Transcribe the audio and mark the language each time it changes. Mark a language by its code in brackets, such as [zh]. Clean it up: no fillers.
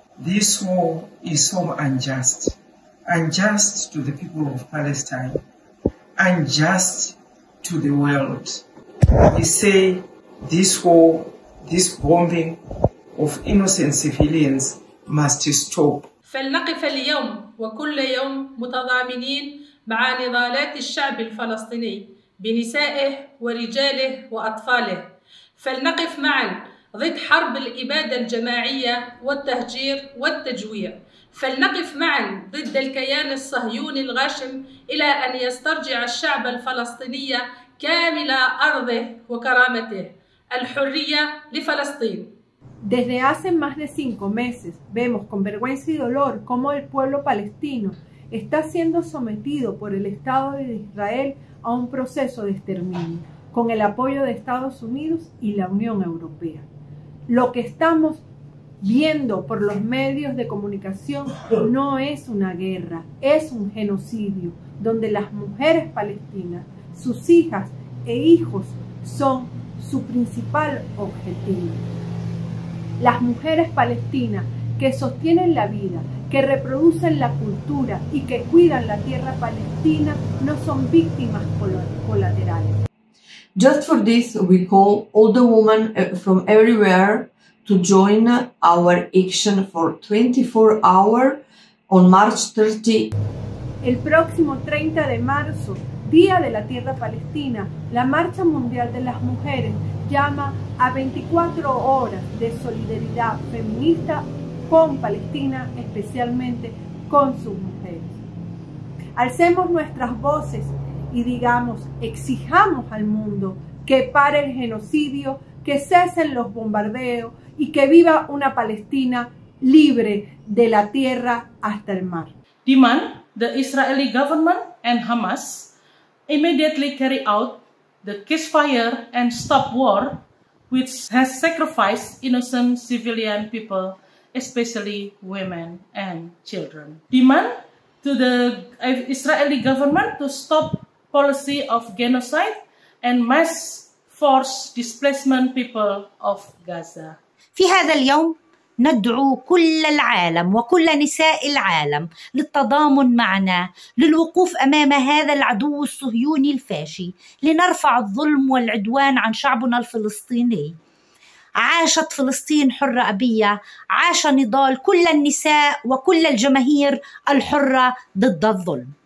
[en] This war is so unjust. Unjust to the people of Palestine. Unjust to the world. We say this war, this bombing of innocent civilians must stop. [ar] فلنقف اليوم وكل يوم متضامنين مع نضالات الشعب الفلسطيني بنسائه ورجاله وأطفاله. فلنقف معا ضد حرب الإبادة الجماعية والتهجير والتجويع. فلنقف معا ضد الكيان الصهيوني الغاشم إلى أن يسترجع الشعب الفلسطيني كامل أرضه وكرامته. الحرية لفلسطين. [es] Desde hace más de 5 meses vemos con vergüenza y dolor cómo el pueblo palestino está siendo sometido por el Estado de Israel a un proceso de exterminio con el apoyo de Estados Unidos y la Unión Europea. Lo que estamos viendo por los medios de comunicación no es una guerra, es un genocidio donde las mujeres palestinas, sus hijas e hijos son su principal objetivo. Las mujeres palestinas que sostienen la vida, que reproducen la cultura y que cuidan la tierra palestina no son víctimas colaterales. [en] Just for this, we call all the women from everywhere to join our action for 24 hours on March 30. [es] El próximo 30 de marzo, Día de la Tierra Palestina, la Marcha Mundial de las Mujeres llama a 24 horas de solidaridad feminista con Palestina, especialmente con sus mujeres. Alcemos nuestras voces y digamos, exijamos al mundo que pare el genocidio, que cesen los bombardeos y que viva una Palestina libre de la tierra hasta el mar. [en] Demand the Israeli government and Hamas immediately carry out the ceasefire and stop war which has sacrificed innocent civilian people, especially women and children. Demand to the Israeli government to stop policy of genocide and mass forced displacement people of Gaza. [ar] في هذا اليوم ندعو كل العالم وكل نساء العالم للتضامن معنا، للوقوف أمام هذا العدو الصهيوني الفاشي، لنرفع الظلم والعدوان عن شعبنا الفلسطيني. عاشت فلسطين حرة أبية، عاش نضال كل النساء وكل الجماهير الحرة ضد الظلم.